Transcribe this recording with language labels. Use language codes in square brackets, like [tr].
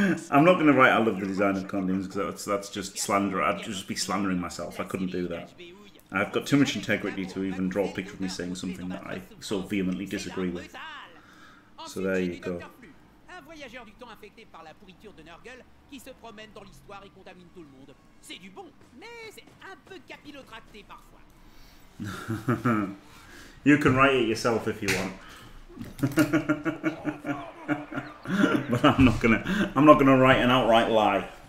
[en] I'm not going to write I love the design of condoms because that's just slander. I'd just be slandering myself. I couldn't do that. I've got too much integrity to even draw a picture of me saying something that I so vehemently disagree with. So there you go. [fr] Voyageur du temps infecté par la pourriture de Nurgle qui se promène dans l'histoire et contamine tout le monde. C'est du bon, mais c'est un peu capillotracté parfois. [en] You can write it yourself if you want. But I'm not gonna write an outright lie.